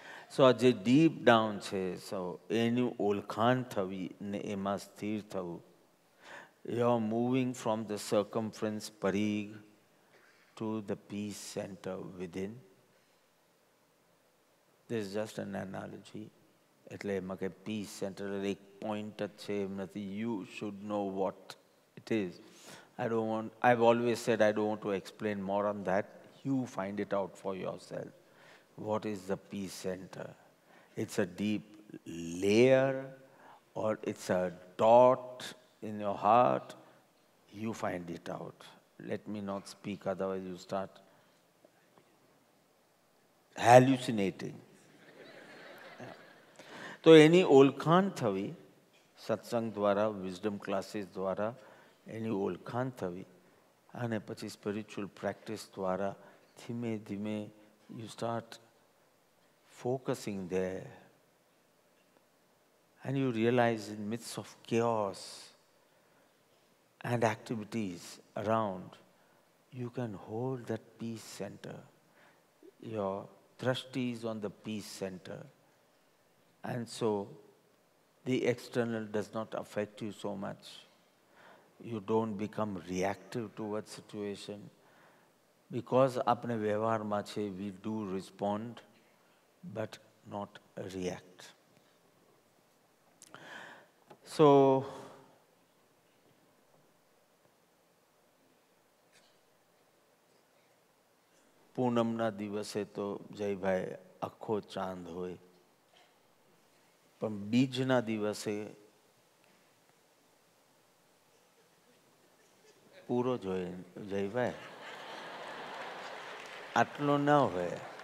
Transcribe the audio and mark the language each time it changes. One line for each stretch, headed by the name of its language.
Gujarati: So aje
English: deep down
Gujarati: che, so enu olkhan thavi ne ema sthir thavu.
English: You are moving from the circumference parig to the peace center within. This is just an analogy.
Gujarati: એટલે એમાં કે peace center એક point જ છે એમ નથી.
English: You should know what it is. I've always said I don't want to explain more on that. You find it out for yourself. What is the peace center? It's a deep layer or it's a dot in your heart, you find it out. Let me not speak, otherwise you start hallucinating.
Gujarati: તો એની ઓળખાણ થવી સત્સંગ દ્વારા, wisdom classes દ્વારા એની ઓળખાણ થવી, અને પછી spiritual practice દ્વારા ધીમે ધીમે
English: you start focusing there, and you realize in midst of chaos and activities around, you can hold that peace center. Your drashti is on the peace center, and so the external does not affect you so much. You don't become reactive towards situation, because
Gujarati: apne vyavhar ma che
English: we do respond but not react.
Gujarati: So પૂનમના દિવસે તો જયભાઈ આખો ચાંદ હોય, પણ બીજના દિવસે પૂરો જ હોય જયભાઈ, આટલો ના હોય.